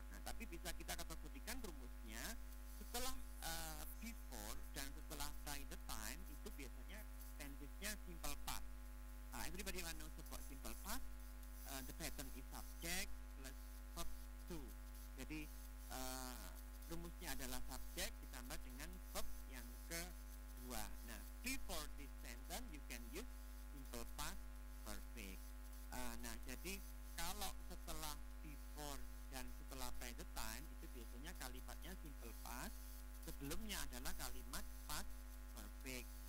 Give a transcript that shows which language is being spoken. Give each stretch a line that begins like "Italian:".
Indonesian: Nah, tapi bisa kita kategorikan rumusnya setelah before dan setelah by the time itu biasanya tenses-nya simple past.
English: Everybody want to support simple past. The pattern is subject plus verb to.
Indonesian: Jadi rumusnya adalah subject ditambah dengan verb yang kedua.
English: Nah, before this sentence you can use simple past perfect.
Indonesian: Nah, jadi kalau setelah before dan setelah by the time itu biasanya kalimatnya simple past. Sebelumnya adalah kalimat past perfect.